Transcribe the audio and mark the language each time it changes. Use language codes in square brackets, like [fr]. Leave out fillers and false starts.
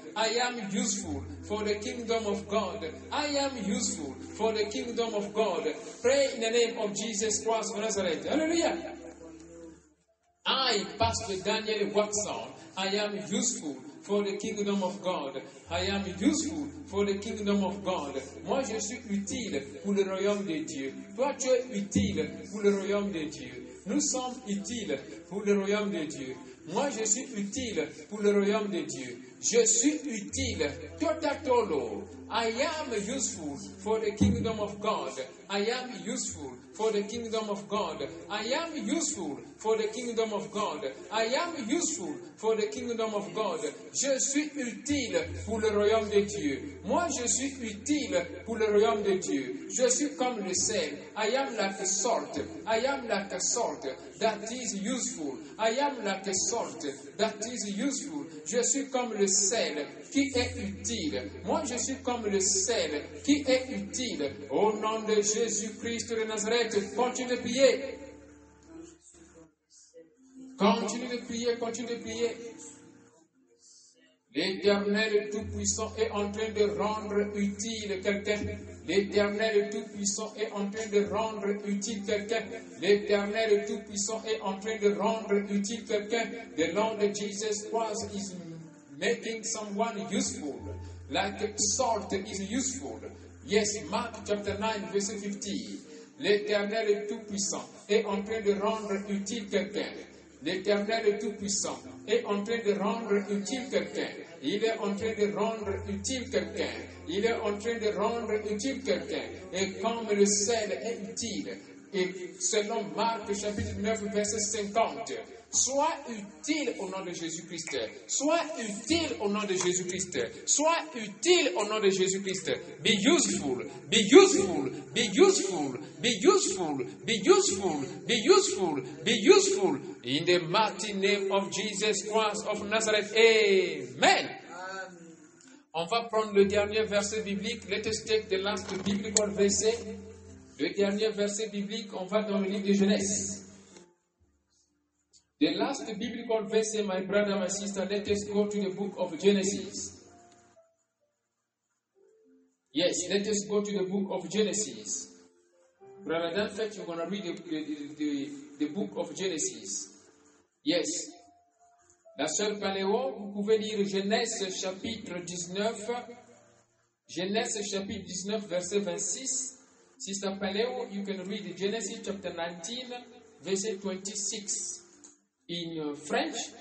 [en] I am useful for the kingdom of God. I am useful for the kingdom of God. Pray in the name of Jesus Christ of Nazareth. Hallelujah. I, Pastor Daniel Watson, I am useful for the kingdom of God. I am useful for the kingdom of God. [fr] Moi, je suis utile pour le royaume de Dieu. Toi, tu es utile pour le royaume de Dieu. Nous sommes utiles pour le royaume de Dieu. Moi, je suis utile pour le royaume de Dieu. Je suis utile. Totatolo. [en] I am useful for the kingdom of God. I am useful for the kingdom of God. I am useful for the kingdom of God. I am useful for the kingdom of God. [fr] Je suis utile pour le royaume de Dieu. Moi, je suis utile pour le royaume de Dieu. Je suis comme le sel. [en] I am like a salt. I am like a salt that is useful. I am like a salt that is useful. [fr] Je suis comme le sel qui est utile. Moi, je suis comme le sel qui est utile. Au nom de Jésus-Christ de Nazareth, continue de prier. Continue de prier, continue de prier. L'Éternel Tout-Puissant est en train de rendre utile quelqu'un. L'Éternel Tout-Puissant est en train de rendre utile quelqu'un. L'Éternel Tout-Puissant est en train de rendre utile quelqu'un. [en] The Lord Jesus Christ is making someone useful. Like salt is useful. Yes, Mark chapter 9, verse 15. [fr] L'Éternel Tout-Puissant est en train de rendre utile quelqu'un. L'Éternel Tout-Puissant est en train de rendre utile quelqu'un. Il est en train de rendre utile quelqu'un. Il est en train de rendre utile quelqu'un. Et comme le sel est utile, Et selon Marc, chapitre 9, verset 50, sois utile au nom de Jésus-Christ. Sois utile au nom de Jésus-Christ. [en] Sois utile au nom de Jésus-Christ. Be useful. Be useful. Be useful. Be useful. Be useful. Be useful. Be useful. In the mighty name of Jesus Christ of Nazareth. [fr] Amen. On va prendre le dernier verset biblique. [en] Let us take the last biblical verse. [fr] Le dernier verset biblique, on va dans le livre de Genèse. [en] The last biblical verse, my brother, my sister, let us go to the book of Genesis. Yes, let us go to the book of Genesis. Brother, in fact, you're going to read the book of Genesis. Yes. [fr] La sœur Paléo, vous pouvez lire Genèse chapitre 19. Genèse chapitre 19, verset 26. [en] Sister Paleo, you can read Genesis chapter 19, verse 26 in French.